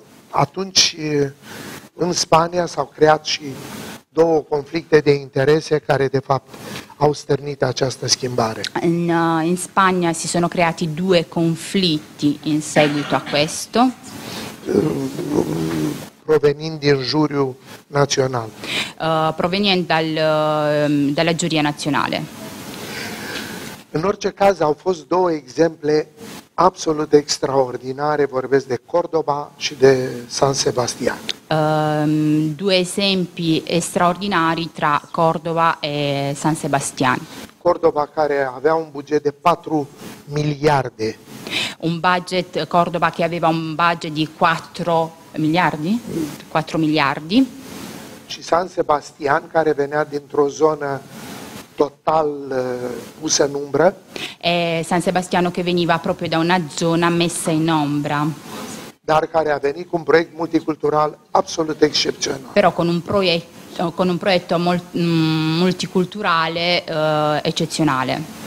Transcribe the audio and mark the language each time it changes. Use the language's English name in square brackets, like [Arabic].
[Romanian] Atunci în Spania s-au creat și două conflicte de interese care de fapt au stârnit această schimbare. [Italian] In Spagna si sono creati due conflitti in seguito a questo. [Romanian] Provenind din juriu național. [Italian] Provenind dalla giuria nazionale. [Romanian] În orice caz au fost două exemple absolut extraordinare, vorbesc de Cordoba și de San Sebastian. [Italian] Due esempi straordinari tra Cordoba e San Sebastian. [Romanian] Cordoba care avea un buget de 4 miliarde. [Italian] Un budget Cordoba che aveva un budget di 4 miliardi? 4 miliardi. [Romanian] Și San Sebastian care venea dintr-o zonă total pusă în umbră. [Italian] E San Sebastiano che veniva proprio da una zona messa in ombra. [Romanian] Dar care a venit cu un proiect multicultural absolut excepțional. [Italian] Però con un proiecto multiculturale eccezionale.